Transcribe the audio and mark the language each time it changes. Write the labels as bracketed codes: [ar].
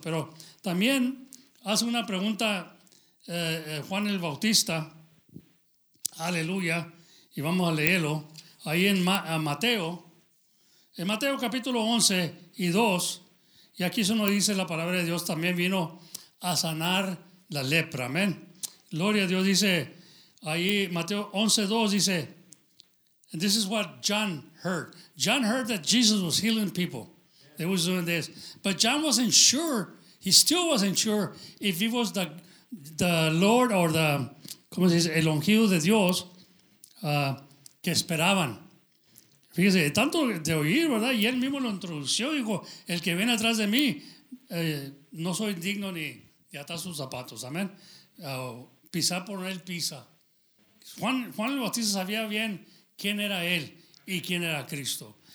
[es] Pero también hace una pregunta Juan el Bautista. Aleluya. Y vamos a leerlo ahí en Mateo. En Mateo capítulo 11 y 2. Y aquí eso nos dice la palabra de Dios. También vino a sanar la lepra. Amén. Gloria a Dios. Dice ahí Mateo 11, 2. [en] Dice, and this is what John heard. John heard that Jesus was healing people. They was doing this. But John wasn't sure. He still wasn't sure if he was the Lord or the, [es] ¿cómo se dice? El ungido de Dios que esperaban. Fíjese, tanto de oír, ¿verdad? Y él mismo lo introdujo, dijo, el que viene atrás de mí, no soy digno ni de atar sus zapatos. Amén. Pisar por él pisa. Juan el Bautista sabía bien quién era él y quién era Cristo.